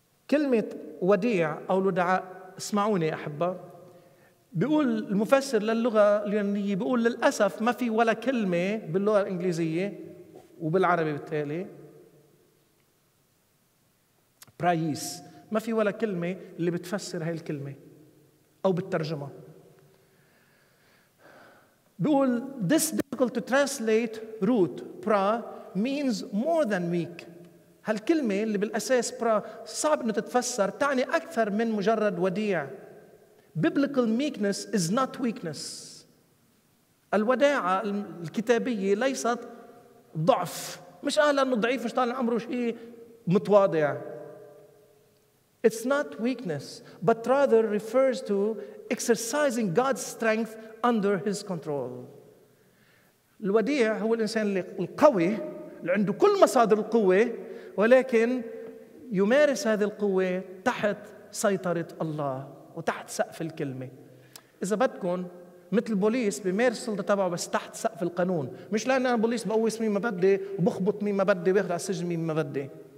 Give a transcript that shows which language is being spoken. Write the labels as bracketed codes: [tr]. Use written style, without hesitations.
[ar] كلمة وديع أو لدعاء، اسمعوني يا أحبة، بيقول المفسر للغة اليونانية، بيقول للأسف ما في ولا كلمة باللغة الإنجليزية وبالعربي بالتالي برايس، ما في ولا كلمة اللي بتفسر هاي الكلمة أو بالترجمة. بيقول [en] this difficult to translate root pra means more than weak. [ar] هالكلمة اللي بالأساس برا صعب إنه تتفسر، تعني أكثر من مجرد وديع. [en] Biblical meekness is not weakness. [ar] الوداعة الكتابية ليست ضعف، مش قال إنه ضعيف مش طالع أمره شيء متواضع. [en] It's not weakness, but rather refers to exercising God's strength under His control. [ar] الوديع هو الإنسان القوي اللي عنده كل مصادر القوة، ولكن يمارس هذه القوة تحت سيطرة الله وتحت سقف الكلمة. إذا بدكم مثل بوليس بيمارس السلطة تبعه بس تحت سقف القانون، مش لأن أنا بوليس بقوي مين ما بدي وبخبط مين ما بدي وباخذ على السجن مين ما بدي.